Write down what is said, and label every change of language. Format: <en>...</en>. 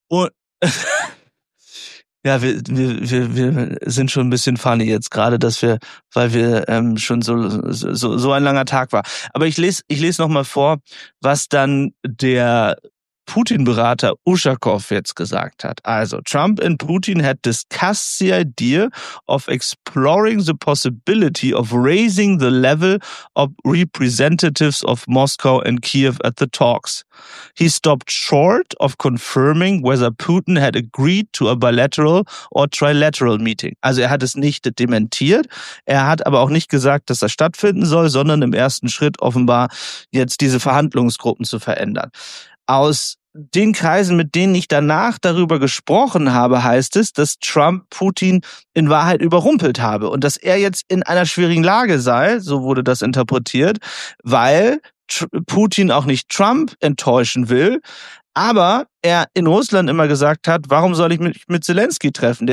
<de>Und ja, wir sind schon ein bisschen funny jetzt gerade, dass wir, weil wir schon so ein langer Tag war. Aber ich lese noch mal vor, was dann der Putin-Berater Ushakov jetzt gesagt hat.</de> <en>Also, Trump and Putin had discussed the idea of exploring the possibility of raising the level of representatives of Moscow and Kiev at the talks. He stopped short of confirming whether Putin had agreed to a bilateral or trilateral meeting.</en> <de>Also, er hat es nicht dementiert. Er hat aber auch nicht gesagt, dass das stattfinden soll, sondern im ersten Schritt offenbar jetzt diese Verhandlungsgruppen zu verändern. Aus den Kreisen, mit denen ich danach darüber gesprochen habe, heißt es, dass Trump Putin in Wahrheit überrumpelt habe und dass er jetzt in einer schwierigen Lage sei, so wurde das interpretiert, weil Putin auch nicht Trump enttäuschen will, aber er in Russland immer gesagt hat, warum soll ich mich mit Zelensky treffen?</de>